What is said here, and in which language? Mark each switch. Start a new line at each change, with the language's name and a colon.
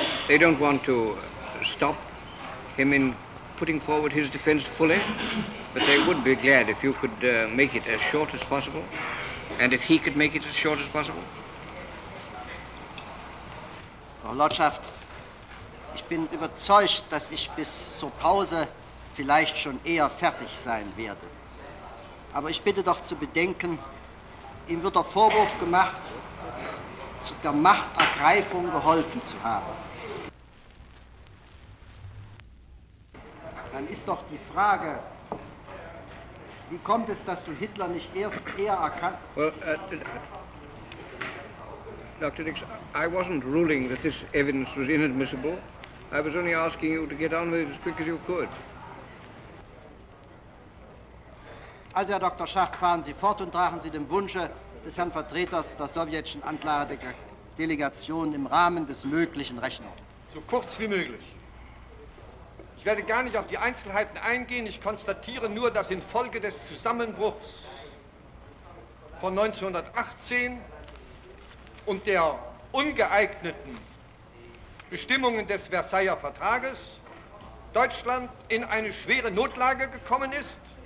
English: They don't want to stop him in putting forward his defense fully, but they would be glad if you could make it as short as possible, and if he could make it as short as possible.
German: Frau Lordschaft, ich bin überzeugt, dass ich bis zur Pause vielleicht schon eher fertig sein werde. Aber ich bitte doch zu bedenken, ihm wird der Vorwurf gemacht, zu der Machtergreifung geholfen zu haben. Dann ist doch die Frage, wie kommt es, dass du Hitler nicht erst eher erkannt...
English: Dr. Dix, I wasn't ruling that this evidence was inadmissible. I was only asking you to get on with it as quick as you could.
German: Also, Herr Dr. Schacht, fahren Sie fort und tragen Sie dem Wunsche des Herrn Vertreters der sowjetischen Anklagedelegation im Rahmen des Möglichen Rechnung. So kurz wie möglich. Ich werde gar nicht auf die Einzelheiten eingehen. Ich konstatiere nur, dass infolge des Zusammenbruchs von 1918 und der ungeeigneten Bestimmungen des Versailler Vertrages Deutschland in eine schwere Notlage gekommen ist,